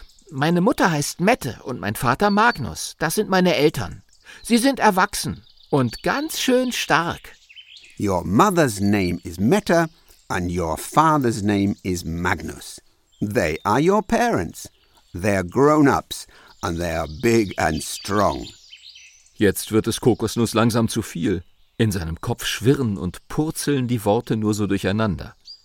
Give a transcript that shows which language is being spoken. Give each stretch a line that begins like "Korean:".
German: Meine Mutter heißt Mette und mein Vater Magnus. Das sind meine Eltern. Sie sind erwachsen und ganz schön stark.
English: Your mother's name is Mette and your father's name is Magnus. They are your parents. They're grown-ups and they are big and strong.
German: Jetzt wird es Kokosnuss langsam zu viel. In seinem Kopf schwirren und purzeln die Worte nur so durcheinander.